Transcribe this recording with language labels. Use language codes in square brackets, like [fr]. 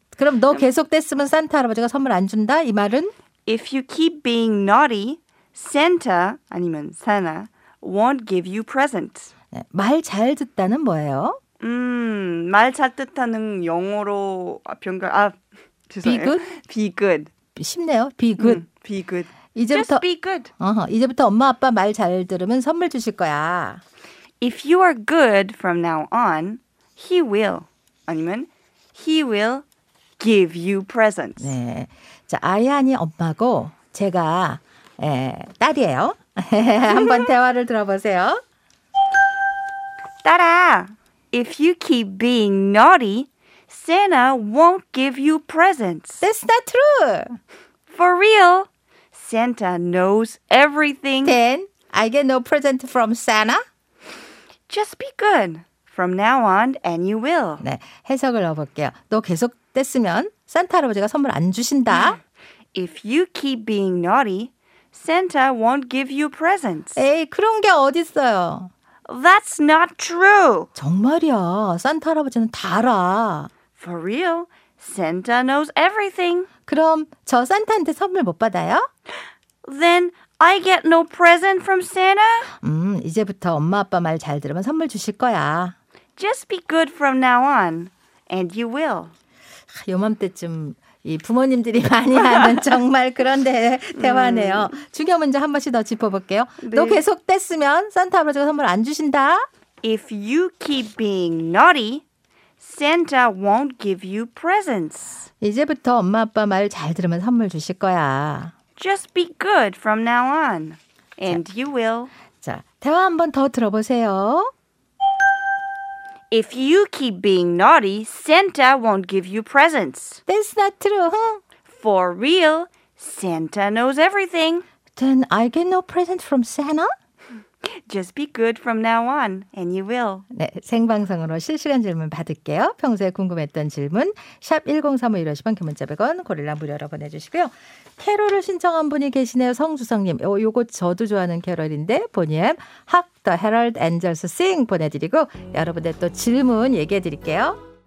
[ko] 그럼 너 계속 뗐으면 산타 할아버지가 선물 안 준다? 이 말은? [en] If you keep being naughty, Santa, [ko] 아니면 [en] Santa, won't give you presents. [ko] 네, 말 잘 듣다는 뭐예요? 말 잘 듣다는 영어로 [en] Be good? Be good. [ko] 쉽네요. [en] Be good. Be good. [ko] 이제부터, [en] Just be good. [ko] 이제부터 엄마 아빠 말 잘 들으면 선물 주실 거야. [en] If you are good from now on, he will. [ko] 아니면 [en] he will. Give you presents. [ko] 네, 자 아이안이 엄마고 제가 딸이에요. 한번 대화를 들어보세요. 딸아, [en] if you keep being naughty, Santa won't give you presents. That's not true. For real, Santa knows everything. Then I get no present from Santa. Just be good from now on, and you will. [ko] 네, 해석을 넣어볼게요. 너 계속 됐으면 산타 할아버지가 선물 안 주신다. [en] If you keep being naughty, Santa won't give you presents. [ko] 에이, 그런 게 어딨어요. [en] That's not true. [ko] 정말이야. 산타 할아버지는 다 알아. [en] For real, Santa knows everything. [ko] 그럼 저 산타한테 선물 못 받아요? [en] Then I get no present from Santa? [ko] 이제부터 엄마 아빠 말 잘 들으면 선물 주실 거야. [en] Just be good from now on, and you will. [ko] 요맘때쯤 이 부모님들이 많이 하는 정말 그런 대화네요. 중요한 문제 한 번씩 더 짚어볼게요. 네. 너 계속 뗐으면 산타 할아버지가 선물 안 주신다. [en] If you keep being naughty, Santa won't give you presents. [ko] 이제부터 엄마 아빠 말 잘 들으면 선물 주실 거야. [en] Just be good from now on, and [ko] 자, [en] you will. [ko] 자, 대화 한 번 더 들어보세요. [en] If you keep being naughty, Santa won't give you presents. That's not true, huh? For real, Santa knows everything. Then I get no present from Santa? Just be good from now on, and you will. [ko] 네, 생방송으로 실시간 질문 받을게요. 평소에 궁금했던 질문, 샵 1035 1호시번, 김문자 100원, 고릴라 무료로 보내주시고요. 캐롤을 신청한 분이 계시네요. 성주성님. 요거 저도 좋아하는 캐롤인데 보니엠 Hark the Herald Angels Sing 보내드리고 여러분들 또 질문 얘기해드릴게요.